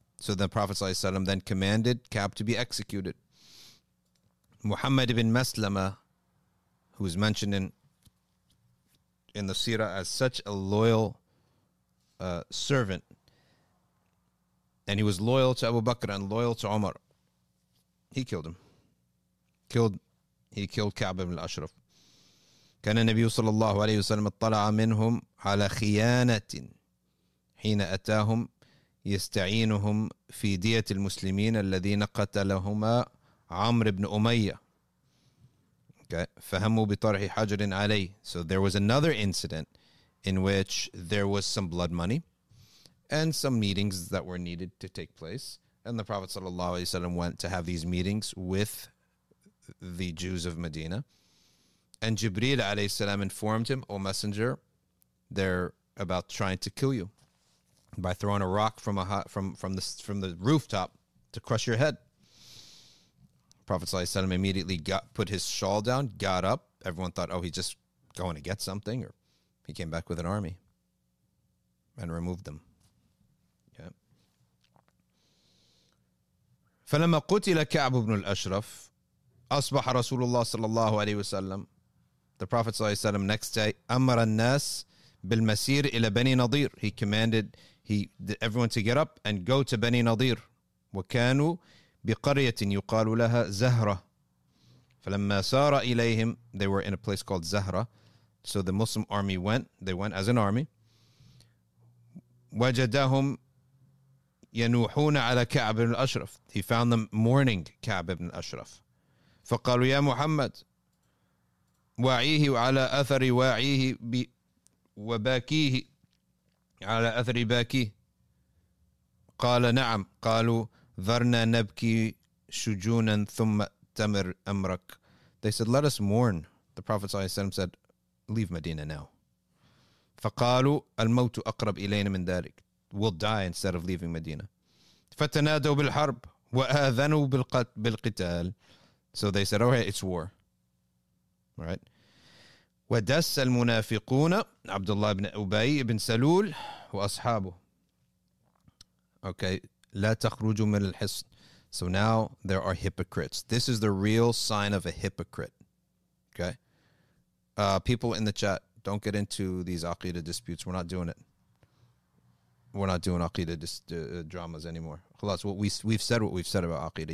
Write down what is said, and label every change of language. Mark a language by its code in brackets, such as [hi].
[en] So the Prophet ﷺ then commanded Ka'b to be executed. Muhammad ibn Maslama, who is mentioned in the seerah as such a loyal servant, and he was loyal to Abu Bakr and loyal to Umar, he killed him. He killed Ka'b ibn al-Ashraf. [ar] كان النبي صلى الله عليه وسلم اطلع منهم على خيانة حين أتاهم يستعينهم في دية المسلمين الذين قتلهما عمرو بن أمية. Okay. فهموا بطرح حجر عليه. [en] So there was another incident in which there was some blood money and some meetings that were needed to take place. And the Prophet صلى الله عليه وسلم went to have these meetings with the Jews of Medina. And Jibreel alayhi salam informed him, O messenger, they're about trying to kill you by throwing a rock from the rooftop to crush your head. Prophet sallallahu alayhi salam immediately put his shawl down, got up. Everyone thought, oh, he's just going to get something, or he came back with an army and removed them. Yeah. [ar] فَلَمَا قُتِلَ كَعْبُ بْنُ الْأَشْرَفِ أَصْبَحَ رَسُولُ اللَّهِ صَلَى اللَّهُ عَلَيْهِ وَسَلَّمُ. [en] The Prophet ﷺ next day, [ar] أَمَّرَ النَّاسِ بِالْمَسِيرِ إِلَى بَنِي نَضِيرِ. [en] He commanded everyone to get up and go to Bani Nadir. [ar] وَكَانُوا بِقَرْيَةٍ يُقَالُ لَهَا زَهْرَةٍ. فَلَمَّا سَارَ إِلَيْهِمْ, [en] they were in a place called Zahra. So the Muslim army went. They went as an army. [ar] وَجَدَهُمْ يَنُوحُونَ عَلَى كَعْبِ بِنِ الْأَشْرَفِ. [en] He found them mourning Ka'b ibn al-Ashraf. [ar] فَقَالُوا يَا مُحَمَّدْ وعيه على أثر وعيه وباكيه على أثر باكيه. قال نعم. قالوا ذرنا نبكي شجونا ثم تمر أمرك. [en] They said, let us mourn. The Prophet ﷺ said, leave Medina now. [ar] فقالوا الموت أقرب إلينا من ذلك. [en] We'll die instead of leaving Medina. [ar] فتنادوا بالحرب وآذنوا بالقتال. [en] So they said, okay, it's war. Right? [ar] ودس المنافقون عبد الله بن أبي بن سلول وأصحابه. Okay, لا تخرجوا من الحصن. [en] So now there are hypocrites. This is the real sign of a hypocrite. Okay, people in the chat, don't get into these aqidah disputes. We're not doing it. We're not doing aqidah dramas anymore. خلاص, we've said what we've said about aqidah.